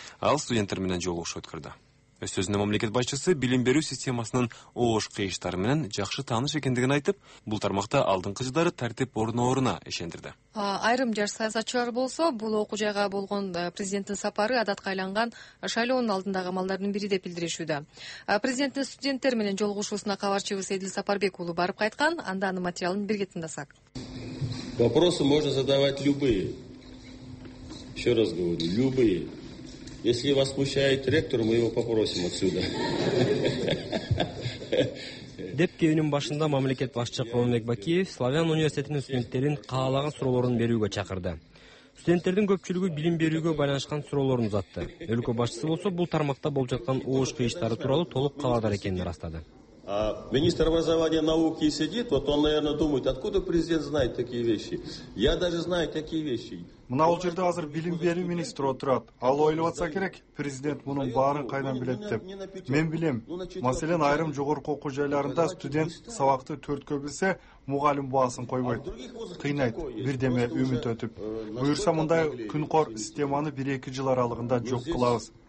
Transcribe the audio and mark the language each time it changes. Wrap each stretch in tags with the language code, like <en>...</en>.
<ky>Ал студенттер менен жолугушуу өткөрдү. Өз сөзүндө мамлекет башчысы билим берүү системасынын оош кыйыштары менен жакшы тааныш экендигин айтып, бул тармакта алдыңкы жылдары тартип орноруна ишендирди. Айрым жаш саясатчылар болсо, бул окуу жайга болгон президенттин сапары адатка айланган шайлоонун алдындагы амалдардын бири деп билдиришүүдө. Президенттин студенттер менен жолугушуусуна кабарчыбыз Эдил Сапарбек уулу барып кайткан, анда анын материалын бирге тыңдасак.</ky> <ru>Вопросы можно задавать любые. Еще раз говорю, любые. Если вас смущает ректор, мы его попросим отсюда.</ru> <ky>Деп кеүнүн башында мамлекет башчы Курманбек Бакиев Славян университетинин студенттерин каалаган суроолорун берүүгө чакырды. Студенттердин көпчүлүгү билим берүүгө байланышкан суроолорун узатты. Өлкө башчысы болсо бул тармакта болуп жаткан оош кыйыштары тууралуу толук кабардар экенин ырастады.</ky> <ru>А министр образования науки сидит, вот он, наверное, думает, откуда президент знает такие вещи. Я даже знаю такие вещи.</ru> <ky>Мына ал жерде азыр билим берүү министри отурат. Ал ойлоп атса керек, президент мунун баарын кайдан билет деп. Мен билем. Маселен, айрым жогорку окуу жайларында студент сабакты төрткө билсе, мугалим баасын койбойт. Кыйнайт, бирдеме үмүт өтүп. Буюрса, мындай күнкор системаны 1-2 жыл аралыгында жок кылабыз.</ky>